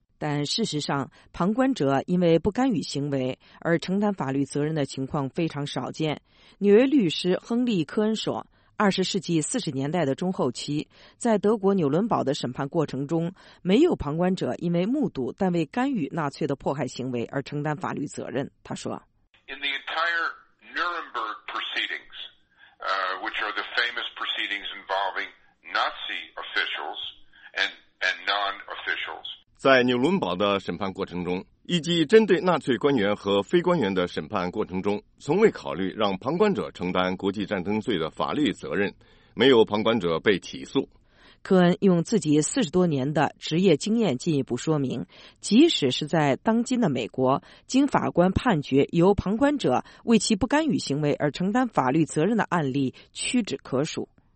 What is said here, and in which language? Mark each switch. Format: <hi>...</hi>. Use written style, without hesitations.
<zh>但事实上，旁观者因为不干预行为而承担法律责任的情况非常少见。纽约律师亨利·科恩说，二十世纪四十年代的中后期，在德国纽伦堡的审判过程中，没有旁观者因为目睹但未干预纳粹的迫害行为而承担法律责任。他说，</zh> <en>In the entire Nuremberg proceedings, which are the famous proceedings involving Nazi officials and non-officials,</en> <zh>在纽伦堡的审判过程中，以及针对纳粹官员和非官员的审判过程中，从未考虑让旁观者承担国际战争罪的法律责任，没有旁观者被起诉。科恩用自己四十多年的职业经验进一步说明，即使是在当今的美国，经法官判决由旁观者为其不干预行为而承担法律责任的案例屈指可数。</zh>